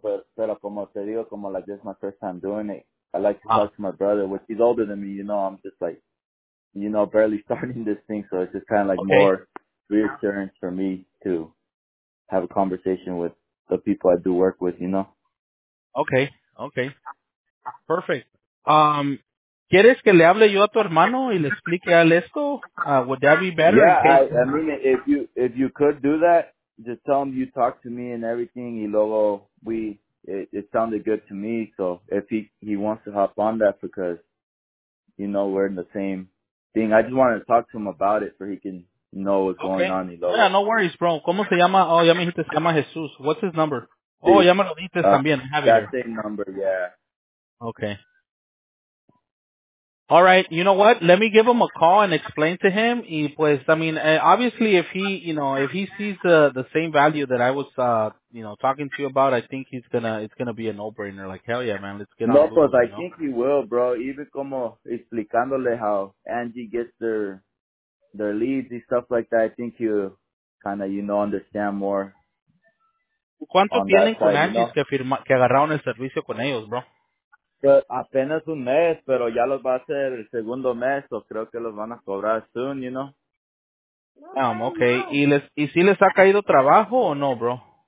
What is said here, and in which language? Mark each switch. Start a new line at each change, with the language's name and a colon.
English: But
Spanish: como te digo, como
English: like this is my first time doing it, I like to talk to my brother, which he's older than me. You know, I'm just like, you know, barely starting this thing. So it's just kind of like more reassurance for me to have a conversation with the people I do work with, you know? Okay. Okay. Perfect.
Spanish: ¿Quieres que le hable yo a tu hermano y le explique a él esto?
English: Would that be better? Yeah, I mean, if you could do that, just tell him you talk to me and everything,
Spanish: y luego
English: it sounded good to me, so if he wants to hop on that, because, you know, we're in the same thing, I just wanted to talk to him about it so he can know what's going on, y luego. Yeah, no worries, bro.
Spanish: ¿Cómo se llama? Oh, ya me dijiste, se llama Jesús.
English: What's his number?
Spanish: Sí. Oh, ya me lo dijiste también.
English: That same number, yeah. Okay. All right, you know what? Let me give him a call and explain to him.
Spanish: Y pues,
English: I mean, obviously, if he sees the same value that I was, you know, talking to you about, I think it's gonna be a no-brainer. Like, hell yeah, man, let's get on. No, pues, I think he will, bro. Even
Spanish: como explicándole
English: how Angie gets their leads and stuff like that, I think he'll kind of, you know, understand more.
Spanish: ¿Cuánto tienen con Angie que agarraron el servicio con ellos, bro? But apenas un mes, pero ya los va a hacer el segundo mes, o creo que los van a cobrar soon, you know.
English: Okay.
Spanish: ¿Y si les ha caído trabajo o no, bro?